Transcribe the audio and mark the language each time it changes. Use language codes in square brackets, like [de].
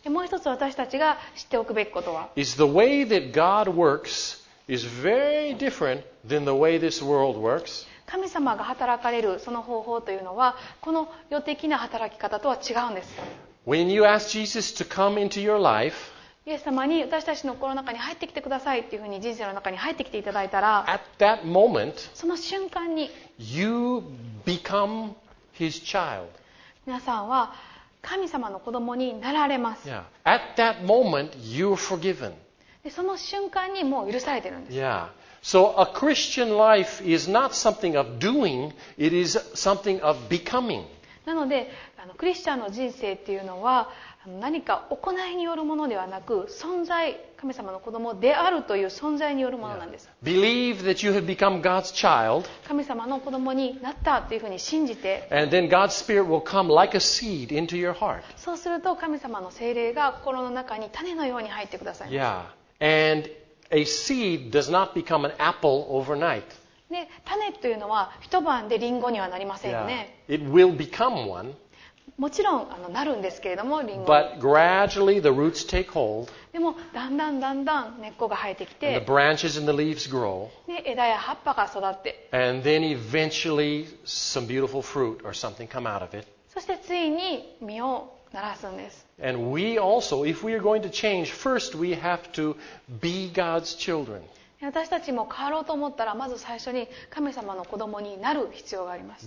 [ja] もう一つ私たちが知っておくべきことは、 [en] is the way that God works is very different than the way this world works. [ja] 神様が働かれるその方法というのはこの世的な働き方とは違うんです。 [en] When you ask Jesus to come into your life, [ja] イエス様に私たちの心の中に入ってきてくださいっていうふうに人生の中に入ってきていただいたら、 [en] At that moment, [ja] その瞬間に [en] you become his child. [ja] 皆さんは神様の子供になられます。 [en] Yeah. At that moment, you're forgiven. [ja] でその瞬間にもう許されてるんです。 [en] Yeah. So a Christian life is not something of doing, it is something of becoming. [ja] なので、クリスチャンの人生っていうのは何か行いによるものではなく、存在、神様の子供であるという存在によるものなんです。 [en] Yeah. Believe that you have become God's child. [ja] 神様の子供になったというふうに信じて。 [en] And then God's Spirit will come like a seed into your heart. [ja] そうすると神様の聖霊が心の中に種のように入ってくださいます。 [en] Yeah. And a seed does not become an apple overnight. [ja] で、種というのは一晩でリンゴにはなりませんよね。 [en] Yeah. It will become one. [ja] もちろんなるんですけれども、リンゴ。 [en] But gradually the roots take hold. [ja] でも、だんだんだんだん根っこが生えてきて、 [en] and the branches and the leaves grow. [ja] で、枝や葉っぱが育って、 [en] and then eventually some beautiful fruit or something come out of it. [ja] そしてついに実をならすんです。 [en] And we also, if we are going to change, first we have to be God's children. [ja] 私たちも変わろうと思ったら、まず最初に神様の子供になる必要があります。